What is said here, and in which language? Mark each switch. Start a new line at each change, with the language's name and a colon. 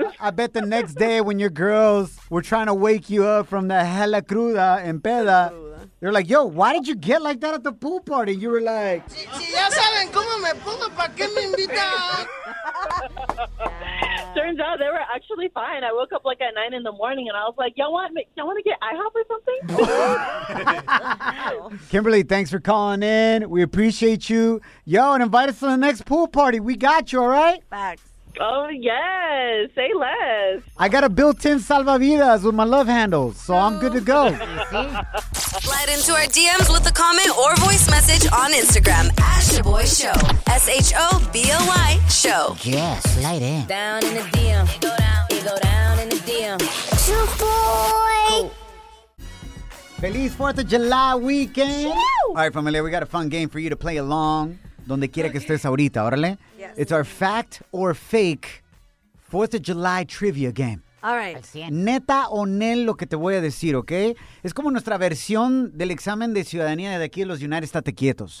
English: Yeah. I bet the next day when your girls were trying to wake you up from the hella
Spanish: cruda en peda,
English: they're like, yo, why did you get like that at the pool party? You were like,
Spanish: ya saben cómo me pongo, pa' qué me invitan.
English: Turns out they were actually fine. I woke up like at 9 in the morning and I was like, y'all want to get IHOP or something? Kimberly, thanks for calling in. We appreciate you. Yo, and invite us to the next pool party. We got you, all right? Facts. Oh, yes. Say less. I got a built-in salvavidas with my love handles, so I'm good to go. Slide into our DMs with a comment or voice message on Instagram. Shaboy Show. S-H-O-B-O-Y Show. Yeah, slide in. Down in the DM. You go down in the DM. Shaboy. Feliz 4th of July weekend. Woo! All right, familia, we got a fun game for you to play along.
Spanish: Donde quiera que estés ahorita, órale.
English: Yes. It's our fact or fake 4th of July trivia game. All right.
Spanish: Neta o nel lo que te voy a decir, ¿ok? Es como nuestra versión del examen de ciudadanía de aquí en los United States quietos.